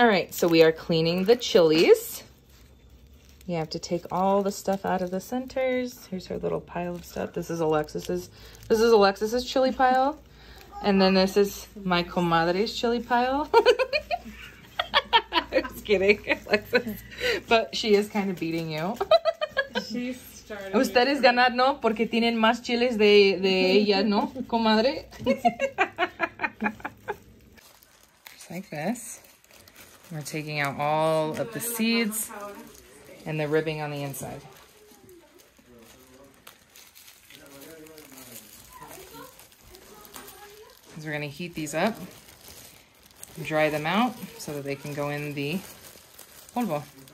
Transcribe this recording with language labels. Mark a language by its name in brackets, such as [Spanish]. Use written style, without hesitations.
[English] All right, so we are cleaning the chilies. You have to take all the stuff out of the centers. Here's her little pile of stuff. This is Alexis's chili pile, and then this is my comadre's chili pile. I'm just kidding, Alexis, but she is kind of beating you. She's [Spanish] ustedes ganar, ¿no? Porque tienen más chiles de ella, ¿no, comadre? [English] Just like this. We're taking out all of the seeds and the ribbing on the inside. Because we're going to heat these up and dry them out so that they can go in the polvo.